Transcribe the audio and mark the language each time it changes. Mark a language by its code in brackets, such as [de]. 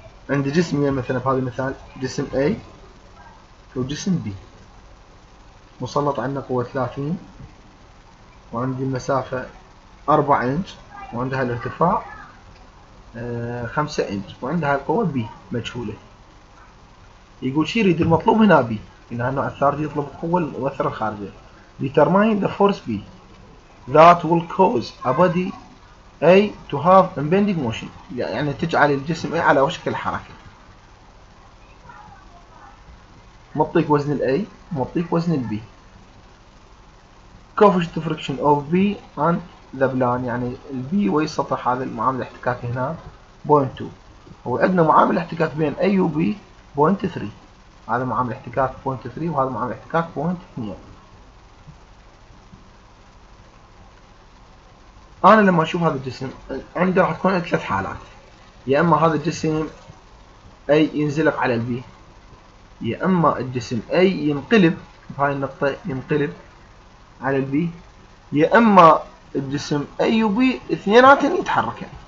[ar] عندي جسمين مثلا في هذا المثال، جسم A وجسم B مسلط عنا قوة 30 وعندي المسافة 4 انش وعندها الارتفاع 5 انش وعندها القوة B مجهولة. يقول شي يريد المطلوب هنا B، إن النوع الثالث يطلب القوة المؤثرة الخارجية. [en] Determine the force B that will cause a body A to have impending motion، [ar] يعني تجعل الجسم A على وشك الحركة. مطيك وزن ال A مطيك وزن ال B. [en] Coefficient of friction of B on the plan، [ar] يعني ال B وي سطح هذا المعامل الاحتكاك هنا 0.2. هو عندنا معامل الاحتكاك بين A و B 0.3. هذا معامل احتكاك 0.3 وهذا معامل احتكاك 0.2. انا لما اشوف هذا الجسم عندي راح تكون ثلاث حالات، يا اما هذا الجسم اي ينزلق على البي، يا اما الجسم اي ينقلب في هاي النقطة ينقلب على البي، يا اما الجسم اي وبي اثنينات يتحركن.